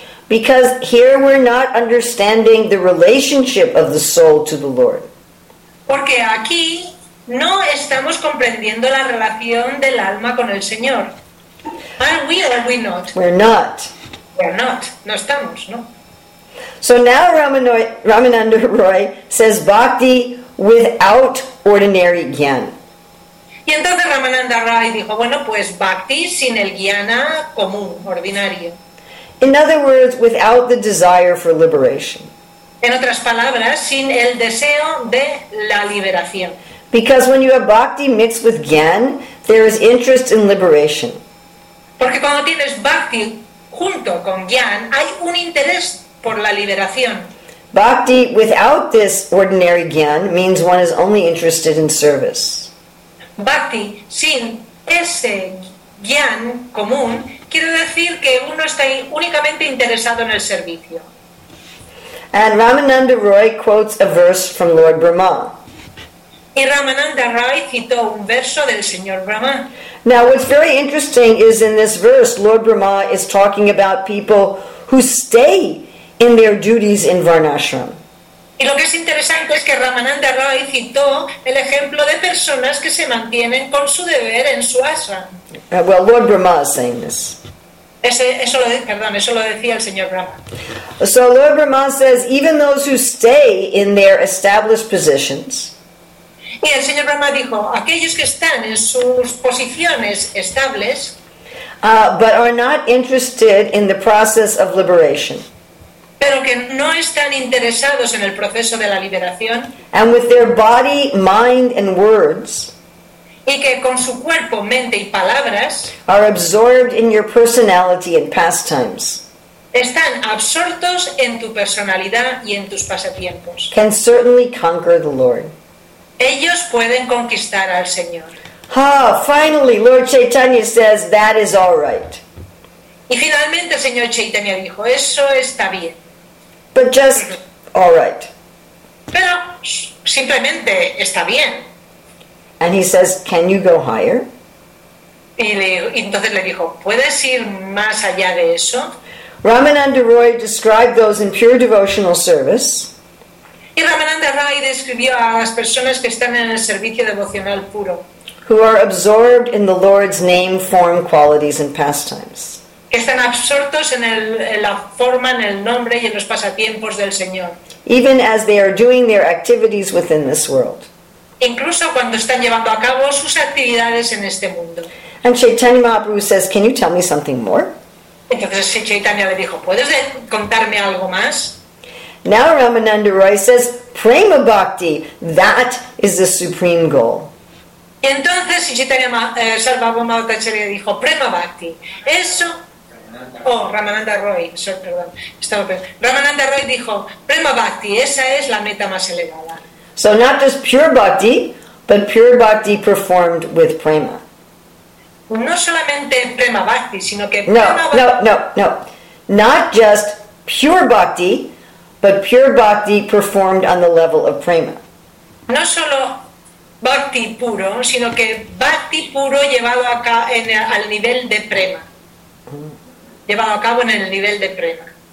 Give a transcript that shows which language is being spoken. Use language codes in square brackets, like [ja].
[en] Because here we're not understanding the relationship of the soul to the Lord. [es] Porque aquí no estamos comprendiendo la relación del alma con el Señor. [en] Are we or are we not? We're not. We're not. [es] No estamos, ¿no? [en] So now Ramananda Roy says bhakti without ordinary gyan. [es] Y entonces Ramananda Roy dijo, bueno, pues bhakti sin el gyana común, ordinario. [en] In other words, without the desire for liberation. [es] En otras palabras, sin el deseo de la liberación. [en] Because when you have bhakti mixed with gyan, there is interest in liberation. [es] Porque cuando tienes bhakti junto con gyan, hay un interés por la liberación. [en] Bhakti without this ordinary gyan means one is only interested in service. [es] Bhakti sin ese gyan común quiere decir que uno está únicamente interesado en el servicio. [en] And Ramananda Roy quotes a verse from Lord Brahma. [es] Y Ramananda Roy citó un verso del señor Brahma. [en] Now what's very interesting is in this verse Lord Brahma is talking about people who stay in their duties in Varnashram. [es] Y lo que es interesante es que Ramananda Roy citó el ejemplo de personas que se mantienen con su deber en su ashram. [en] Well, Lord Brahma is saying this. [es] Eso lo decía el señor Brahma. [en] So Lord Brahma says, even those who stay in their established positions. [es] Y el señor Brahma dijo, aquellos que están en sus posiciones estables. [en] But are not interested in the process of liberation. [es] Pero que no están interesados en el proceso de la liberación. [en] And with their body, mind, and words. [es] Y que con su cuerpo, mente y palabras [en] are absorbed in your personality and pastimes. [es] Están absortos en tu personalidad y en tus pasatiempos. [en] Can certainly conquer the Lord. [es] Ellos pueden conquistar al Señor. [en] Ah, finally, Lord Chaitanya says that is all right. [es] Y finalmente, el señor Chaitanya dijo, eso está bien. [en] But just all right. [es] Pero simplemente está bien. [en] And he says, can you go higher? [es] Entonces le dijo, ¿puedes ir más allá de eso? [en] Ramananda Roy described those in pure devotional service. [es] Y Ramananda Roy describió a las personas que están en el servicio devocional puro. [en] Who are absorbed in the Lord's name, form, qualities, and pastimes. [es] Que están absortos en la forma, en el nombre y en los pasatiempos del Señor. [en] Even as they are doing their activities within this world. [es] Incluso cuando están llevando a cabo sus actividades en este mundo. [en] And Chaitanya Mahaprabhu says, can you tell me something more? [es] Entonces Chaitanya le dijo, ¿puedes contarme algo más? [en] Now Ramananda Roy says, prema bhakti, that is the supreme goal. [es] Y entonces Chaitanya Salvabha Madhvacharya dijo, prema bhakti, eso... Ramananda Roy dijo, prema bhakti, esa es la meta más elevada. [en] So not just pure bhakti, but pure bhakti performed with prema. [es] No solamente prema bhakti, sino que [en] Not just pure bhakti, but pure bhakti performed on the level of prema. [es] No solo bhakti puro, sino que bhakti puro llevado acá en el, al nivel de prema. Llevado a cabo en el nivel de prema.